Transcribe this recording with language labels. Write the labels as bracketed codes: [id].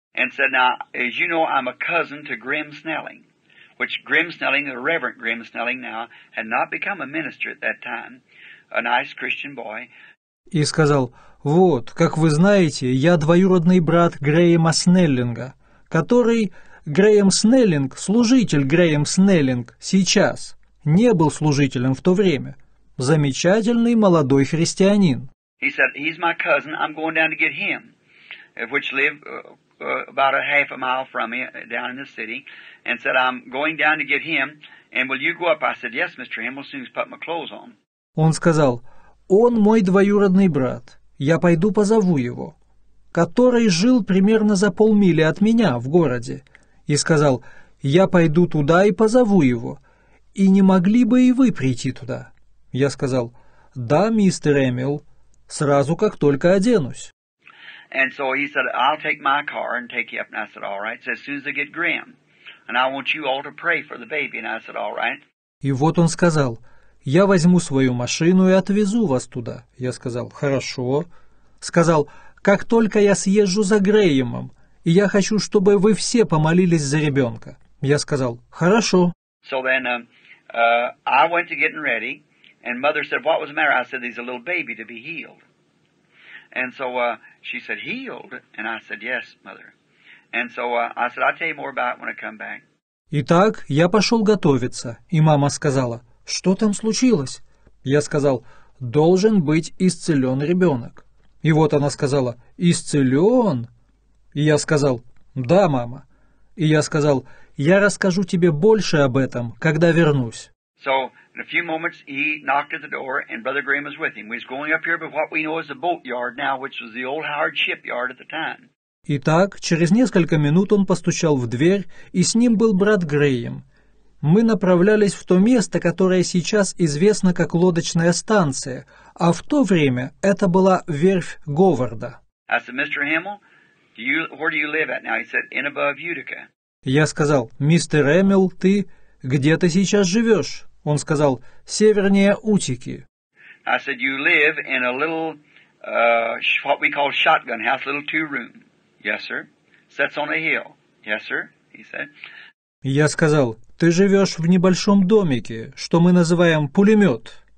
[en] And said, "Now, as you know, I'm a cousin to Grim Snelling, which Grim Snelling, the Reverend Grim Snelling now, had not become a minister at that time, a nice Christian boy." [ru] И сказал: "Вот, как вы знаете, я двоюродный брат Грэма Снеллинга, который... Грэм Снеллинг, служитель Грэм Снеллинг сейчас, не был служителем в то время. Замечательный молодой христианин." [en] He said, "He's my cousin, I'm going down to get him," which lived about a half a mile from me down in the city, and said, "I'm going down to get him, and will you go up?" I said, "Yes, Mr. Him, we'll soon put my clothes on." [ru] Он сказал: "Он мой двоюродный брат, я пойду позову его, который жил примерно за полмили от меня в городе." И сказал: "Я пойду туда и позову его. И не могли бы и вы прийти туда?" Я сказал: "Да, мистер Эмил, сразу как только оденусь." [en] And so he said, "I'll take my car and take you up." And I said, "All right." So as soon as I get Grim, and I want you all to pray for the baby. And I said, "All right." [ru] И вот он сказал: "Я возьму свою машину и отвезу вас туда." Я сказал: "Хорошо." Сказал: "Как только я съезжу за Грэмом, и я хочу, чтобы вы все помолились за ребенка." Я сказал: "Хорошо." [en] So then, I went to getting ready, and mother said, "What was the matter?" I said, "There's a little baby to be healed." And so she said, "Healed?" And I said, "Yes, mother." And so I said, "I'll tell you more about it when I come back." [ru] Итак, я пошел готовиться, и мама сказала: "Что там случилось?" Я сказал: "Должен быть исцелен ребенок." И вот она сказала: "Исцелен?" И я сказал: "Да, мама." И я сказал: "Я расскажу тебе больше об этом, когда вернусь." [en] So, in a few moments, he knocked at the door, and Brother Grim was with him. We was going up here, but what we know is the boatyard now, which was the old hired shipyard at the time. [ru] Итак, через несколько минут он постучал в дверь, и с ним был брат Грэм. Мы направлялись в то место, которое сейчас известно как лодочная станция, а в то время это была верфь Говарда. [en] I said, "Mr. Hamill, where do you live at now?" He said, "In above Utica." [ru] Я сказал: "Мистер Эмил, ты где ты сейчас живешь?" Он сказал: "Севернее Утики." [en] I said, "You live in a little what we call shotgun house, little two room." "Yes, sir." "Sets on a hill." "Yes, sir," he said. [ru] Я сказал: "Ты живешь в небольшом домике, что мы называем пулемет?"